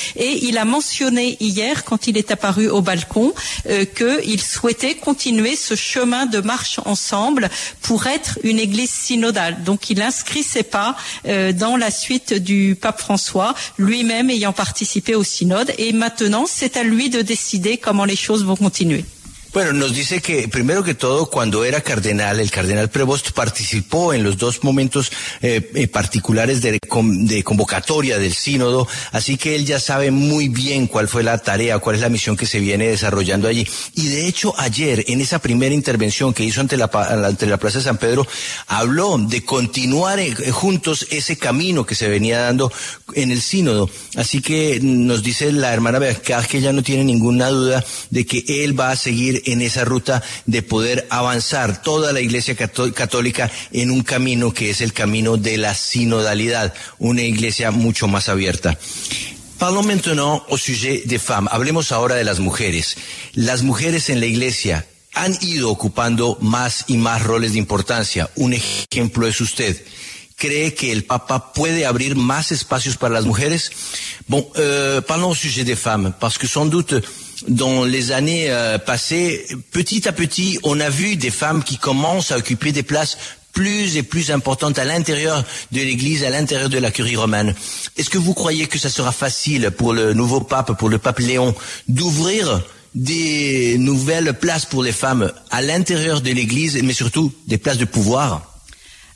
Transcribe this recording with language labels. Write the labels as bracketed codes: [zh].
[fr] Et il a mentionné hier, quand il est apparu au balcon, qu'il souhaitait continuer ce chemin de marche ensemble pour être une église synodale. Donc il inscrit ses pas dans la suite du pape François, lui-même ayant participé au synode. Et maintenant, c'est à lui de décider comment les choses vont continuer. [es] Bueno, nos dice que primero que todo, cuando era cardenal, el cardenal Prevost participó en los dos momentos particulares de convocatoria del sínodo, así que él ya sabe muy bien cuál fue la tarea, cuál es la misión que se viene desarrollando allí. Y de hecho, ayer, en esa primera intervención que hizo ante la Plaza de San Pedro, habló de continuar juntos ese camino que se venía dando en el sínodo. Así que nos dice la hermana Bécart que ya no tiene ninguna duda de que él va a seguir en esa ruta de poder avanzar toda la Iglesia católica en un camino que es el camino de la sinodalidad, una iglesia mucho más abierta. [fr] Parlons maintenant au sujet des femmes. [es] Hablemos ahora de las mujeres. Las mujeres en la iglesia han ido ocupando más y más roles de importancia. Un ejemplo es usted. ¿Cree que el Papa puede abrir más espacios para las mujeres? [fr] Bon, parlons au sujet des femmes, parce que sans doute, dans les années passées, petit à petit, on a vu des femmes qui commencent à occuper des places plus et plus importante à l'intérieur de l'Église, à l'intérieur de la Curie romaine. Est-ce que vous croyez que ça sera facile pour le nouveau pape, pour le pape Léon, d'ouvrir des nouvelles places pour les femmes à l'intérieur de l'Église, mais surtout des places de pouvoir ?